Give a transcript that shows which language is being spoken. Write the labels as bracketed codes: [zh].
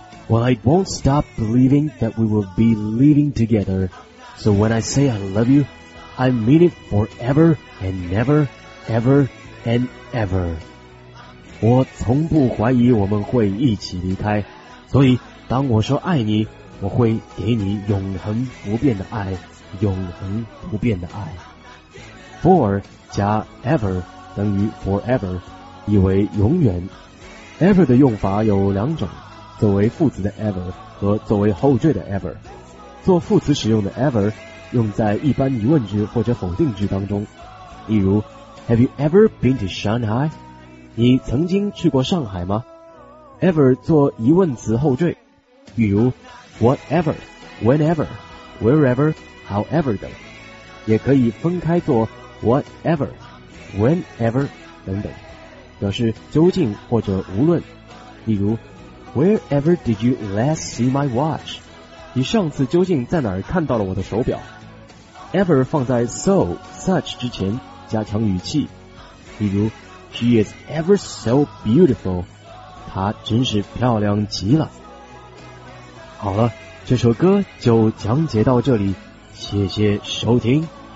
[en] Well, I won't stop believing that we will be living together. So when I say I love you, I mean it forever and never, ever and ever. [zh] 我从不怀疑我们会一起离开，所以当我说爱你，我会给你永恒不变的爱，永恒不变的爱。 For 加 ever 等于 forever, 意为永远。 Ever 的用法有两种，作为副词的 ever 和作为后缀的 ever。做副词使用的 ever 用在一般疑问句或者否定句当中，例如 Have you ever been to Shanghai? 你曾经去过上海吗？ ever 做疑问词后缀，例如 whatever, whenever, wherever, however 等，也可以分开做 whatever, whenever 等等，表示究竟或者无论，例如 Wherever did you last see my watch? 你上次究竟在哪儿看到了我的手表？Ever 放在 so, such 之前，加强语气。 [en] 比如 She is ever so beautiful. [zh] 她真是漂亮极了。好了，这首歌就讲解到这里，谢谢收听。